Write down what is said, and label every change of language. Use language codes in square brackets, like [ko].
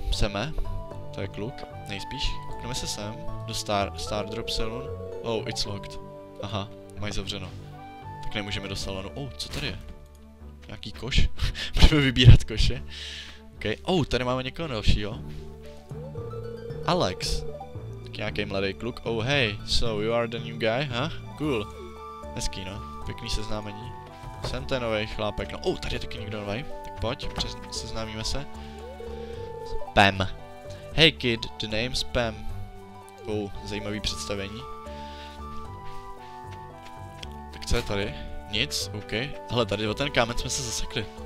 [cs] Seme. To je kluk, nejspíš. Koukneme se sem, do Stardrop Salon. [en] Oh, it's locked. [cs] Aha, mají zavřeno. Tak nemůžeme do salonu. Oh, co tady je? Nějaký koš? Můžeme vybírat koše. Okej, okay. Oh, tady máme někoho dalšího. Alex. Tak nějaký mladý kluk. [en] Oh, hey, so you are the new guy, huh? [cs] Cool. Hezký, no. Pěkný seznámení. Jsem ten novej chlápek. No, oh, tady je taky někdo novej. Tak pojď, seznámíme se. Pam. [en] Hey kid, the name's Pam. Oh, [cs] zajímavý představení. Tak co je tady? Nic, OK. Hele, tady o ten kámen jsme se zasekli.